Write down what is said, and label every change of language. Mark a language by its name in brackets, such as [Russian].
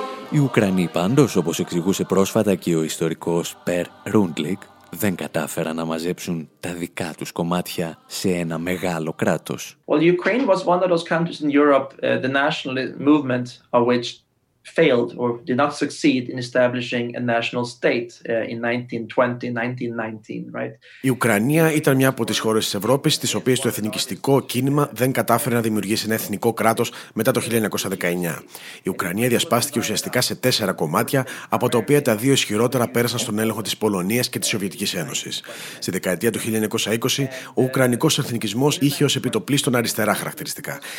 [Greek] Οι Ουκρανοί πάντως, όπως εξηγούσε πρόσφατα και ο ιστορικός Περ Ρούντλικ, δεν κατάφεραν να μαζέψουν τα δικά τους κομμάτια σε ένα μεγάλο κράτος. [English] Well, Ukraine was one of those countries in Europe, the nationalist movement of which failed or did not succeed in establishing a national state in 1920, 1919, right? [Greek] Η Ουκρανία ήταν μια από τις χώρες της Ευρώπης στις οποίες το εθνικιστικό κίνημα δεν κατάφερε να δημιουργήσει ένα εθνικό κράτος μετά το 1919. Η Ουκρανία διασπάστηκε ουσιαστικά σε τέσσερα κομμάτια, από τα οποία τα δύο ισχυρότερα πέρασαν στον έλεγχο της Πολωνίας και της Σοβιετικής Ένωσης. Στη δεκαετία του 1920, ο Ουκρανικός εθνικισμός είχε ως επιτοπλίστων αριστερά χαρακτηριστικά.